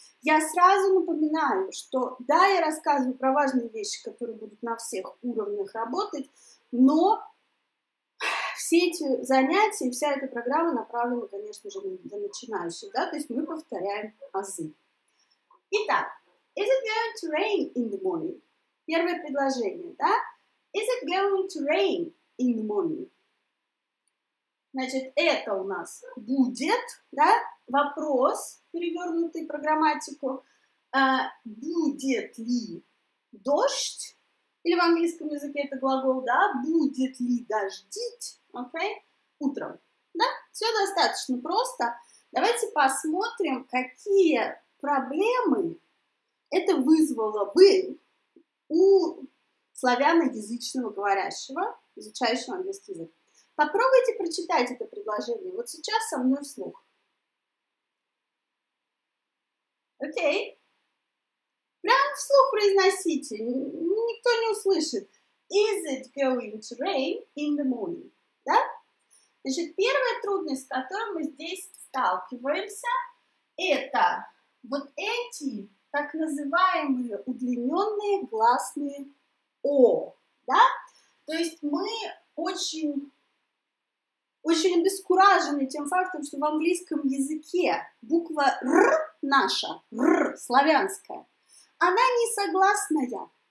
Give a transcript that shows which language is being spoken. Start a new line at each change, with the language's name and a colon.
Russian: Я сразу напоминаю, что да, я рассказываю про важные вещи, которые будут на всех уровнях работать, но все эти занятия, вся эта программа направлена, конечно же, на начинающих, да, то есть мы повторяем азы.
English: Итак, is it going to rain in the morning?
Russian: Первое предложение, да?
English: Is it going to rain in the morning?
Russian: Значит, это у нас будет, да, вопрос, перевернутый программатику, будет ли дождь, или в английском языке это глагол, да, будет ли дождить, окей, утром, да, все достаточно просто. Давайте посмотрим, какие проблемы это вызвало бы у славяноязычного говорящего, изучающего английский язык. Попробуйте прочитать это предложение вот сейчас со мной вслух. Окей. Прям вслух произносите, никто не услышит.
English: Is it going to rain in the morning?
Russian: Да? Значит, первая трудность, с которой мы здесь сталкиваемся, это вот эти так называемые удлиненные гласные О. Да? То есть мы очень обескуражены тем фактом, что в английском языке буква Р наша, Р, славянская, она не согласная.